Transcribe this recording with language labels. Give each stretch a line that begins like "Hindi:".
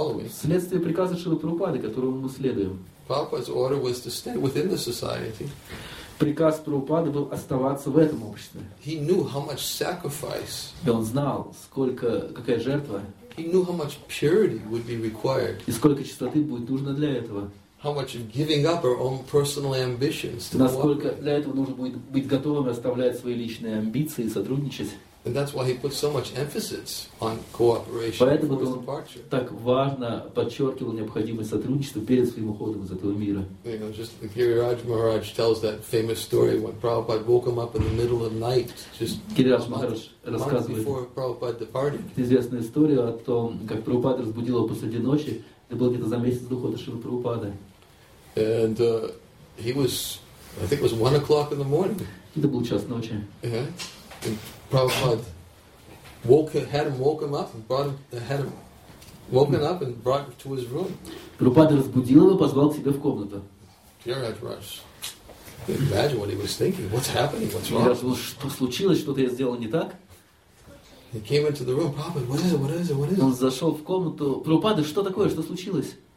Russian: Вследствие приказа Шрилы Прабхупады, которому мы следуем. Приказ Прабхупады был оставаться в этом обществе.
English: He knew how much sacrifice.
Russian: И он знал, сколько, какая жертва.
English: He knew how much purity would be required.
Russian: И сколько чистоты будет нужно для этого.
English: How much of giving up our own personal ambitions.
Russian: Насколько для этого нужно будет быть готовым оставлять свои личные амбиции и сотрудничать.
English: And that's why he put so much emphasis on cooperation.
Russian: Поэтому он так важно подчеркивал необходимость сотрудничества перед своим уходом из этого мира.
English: You know, just Giriraj Maharaj tells that famous story when Prabhupada woke him up in the middle of the night. Just
Russian: Giriraj Maharaj рассказывает. Это известная история о том, как Прабхупада разбудил его посреди ночи. Это было где-то за месяц до ухода Шрилы Прабхупады.
English: And he was, I think it was 1 o'clock in the morning.
Russian: Это был час ночи.
English: And Prabhupada had him woken up and brought him to his room.
Russian: Прабхупада разбудил его, позвал к себе в комнату.
English: Giriraj Maharaj. Imagine what he was thinking. What's happening? What's wrong?
Russian: Giriraj, что случилось? Что-то я сделал не так?
English: He came into the room. Prabhupada, what is it?
Russian: Он зашел в комнату. Прабхупада, что такое? Что случилось?